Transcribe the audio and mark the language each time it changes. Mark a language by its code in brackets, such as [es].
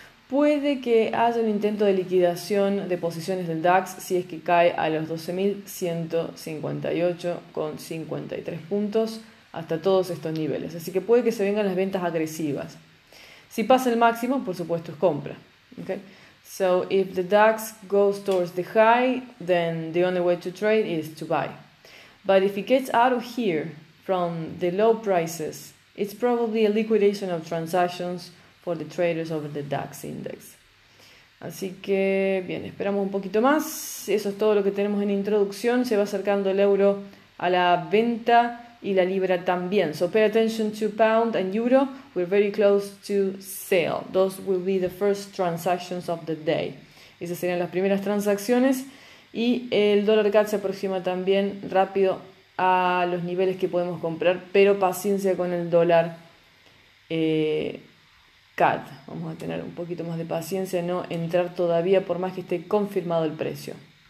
[es] Puede que haya un intento de liquidación de posiciones del DAX si es que cae a los 12.158,53 puntos hasta todos estos niveles. Así que puede que se vengan las ventas agresivas. Si pasa el máximo, por supuesto, es compra. [en] Okay? So, if the DAX goes towards the high, then the only way to trade is to buy. But if it gets out of here from the low prices, it's probably a liquidation of transactions for the traders over the DAX index. [es] Así que, bien, esperamos un poquito más. Eso es todo lo que tenemos en introducción. Se va acercando el euro a la venta y la libra también. [en] So pay attention to pound and euro. We're very close to sale. Those will be the first transactions of the day. [es] Esas serían las primeras transacciones. Y el dólar CAD se aproxima también rápido a los niveles que podemos comprar, pero paciencia con el dólar CAD. Vamos a tener un poquito más de paciencia, no entrar todavía, por más que esté confirmado el precio.